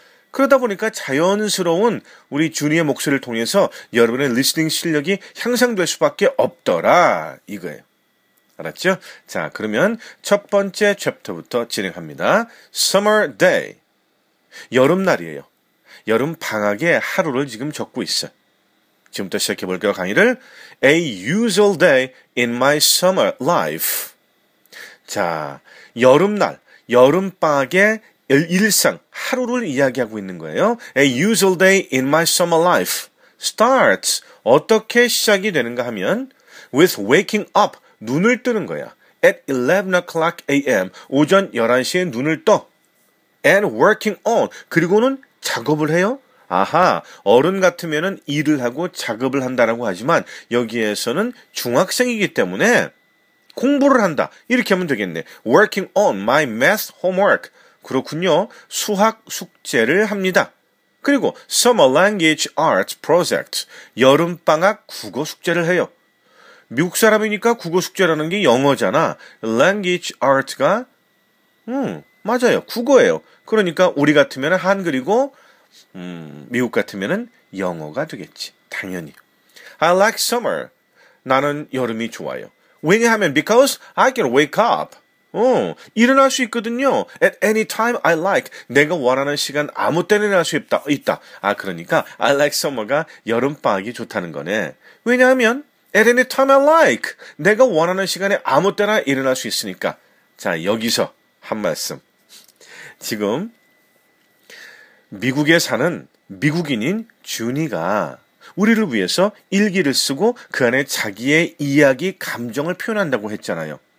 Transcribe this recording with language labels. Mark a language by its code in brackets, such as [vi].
[ko] 그러다 보니까 자연스러운 우리 주니의 목소리를 통해서 여러분의 리스닝 실력이 향상될 수밖에 없더라 이거예요. 알았죠? 자, 그러면 첫 번째 챕터부터 진행합니다. [en] Summer Day. [ko] 여름날이에요. 여름 방학의 하루를 지금 적고 있어요. 지금부터 시작해볼게요, 강의를. [en] A usual day in my summer life. [ko] 자, 여름날, 여름방학의 일상, 하루를 이야기하고 있는 거예요. [en] A usual day in my summer life starts. [ko] 어떻게 시작이 되는가 하면 [en] with waking up, [ko] 눈을 뜨는 거야. [en] At 11 o'clock a.m. [ko] 오전 11시에 눈을 떠. [en] And working on, [ko] 그리고는 작업을 해요. 아하, 어른 같으면은 일을 하고 작업을 한다라고 하지만 여기에서는 중학생이기 때문에 공부를 한다. 이렇게 하면 되겠네. [en] Working on my math homework. [ko] 그렇군요. 수학 숙제를 합니다. 그리고 [en] Summer Language Arts Project, [ko] 여름방학 국어 숙제를 해요. 미국 사람이니까 국어 숙제라는 게 영어잖아. Language Arts가 맞아요. 국어예요. 그러니까 우리 같으면 한글이고 미국 같으면 영어가 되겠지. 당연히. [en] I like summer. [ko] 나는 여름이 좋아요. 왜냐하면 [en] because I can wake up. [ko] 일어날 수 있거든요. [en] At any time I like. [ko] 내가 원하는 시간 아무 때나 일어날 수 있다. 아, 그러니까 [en] I like summer [ko] 가 여름방학이 좋다는 거네. 왜냐하면 [en] at any time I like. [ko] 내가 원하는 시간에 아무 때나 일어날 수 있으니까. 자, 여기서 한 말씀. 지금 미국에 사는 미국인인 준이가 우리를 위해서 일기를 쓰고 그 안에 자기의 이야기, 감정을 표현한다고 했잖아요.